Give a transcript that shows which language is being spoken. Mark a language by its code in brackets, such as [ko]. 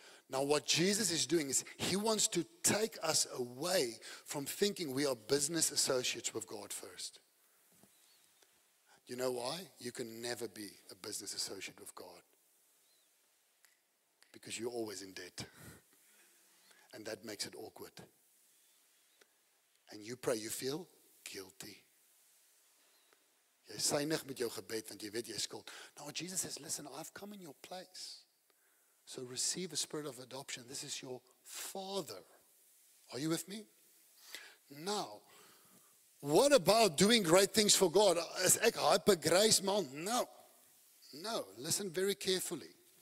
[en] Now what Jesus is doing is he wants to take us away from thinking we are business associates with God first. You know why? You can never be a business associate with God. Because you're always in debt. And that makes it awkward. And you pray, you feel guilty. [af] Jy synig met jou gebed, want jy weet jy skuld. [en] Now Jesus says, listen, I've come in your place. So receive a spirit of adoption. This is your father. Are you with me? Now, what about doing great things for God? [af] Is ek [en] hyper grace man? No. No, listen very carefully.